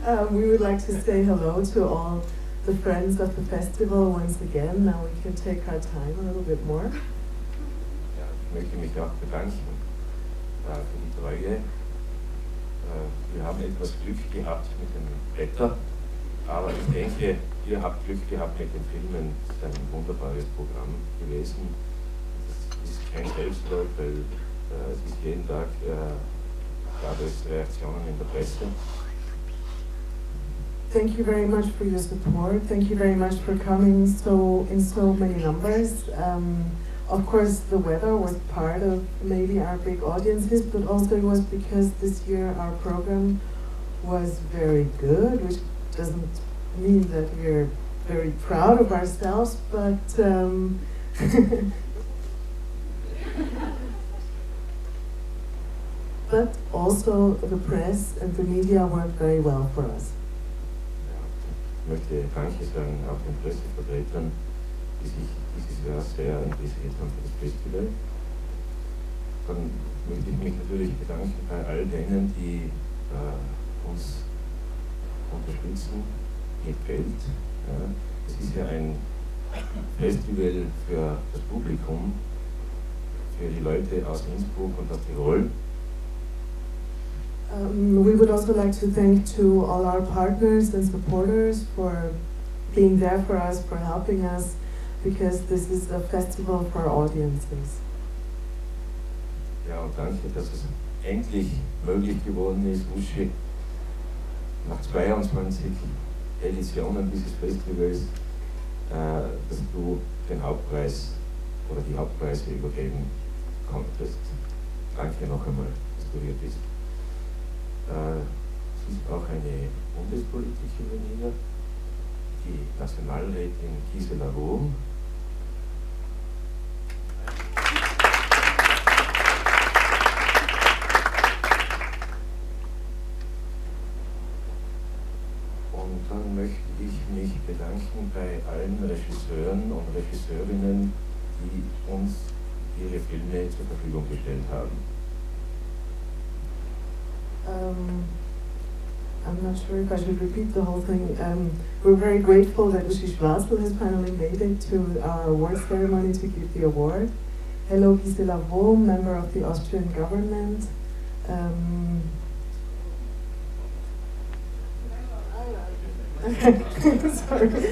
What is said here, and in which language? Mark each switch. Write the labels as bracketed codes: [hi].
[en] We would like to say hello to all the friends of the festival once again. Now we can take our time a little bit more. [de] Ja, ich möchte mich auch bedanken für die Treue. Wir haben etwas Glück gehabt mit dem Wetter, aber ich denke, ihr habt Glück gehabt mit den Filmen. Es ist ein wunderbares Programm gewesen. Es ist kein Selbstläufer, weil es ist jeden Tag gab es Reaktionen in der Presse. [en] Thank you very much for your support. Thank you very much for coming in so many numbers. Of course, the weather was part of maybe our big audiences, but also it was because this year our program was very good, which doesn't mean that we're very proud of ourselves, but... but also the press and the media worked very well for us. [de] Ich möchte Danke sagen auch den Pressevertretern, die sich dieses Jahr sehr interessiert haben für das Festival. Dann möchte ich mich natürlich bedanken bei all denen, die uns unterstützen mit Geld. Ja, es ist ja ein Festival für das Publikum, für die Leute aus Innsbruck und aus Tirol. [en] We would also like to thank to all our partners and supporters for being there for us, for helping us, because this is a festival for audiences. [de] Ja, und danke, dass es endlich möglich geworden ist, Uschi, nach 22 Editionen dieses Festivals, dass du den Hauptpreis oder die Hauptpreise übergeben konntest. Danke noch einmal, dass du hier bist. Es ist auch eine Bundespolitikerin hier, die Nationalrätin Gisela Wurm. Und dann möchte ich mich bedanken bei allen Regisseuren und Regisseurinnen, die uns ihre Filme zur Verfügung gestellt haben. [en] I'm not sure if I should repeat the whole thing. We're very grateful that Uschi Schwarzl has finally made it to our award ceremony to give the award. Hello, Gisela Wurm, member of the Austrian government. sorry.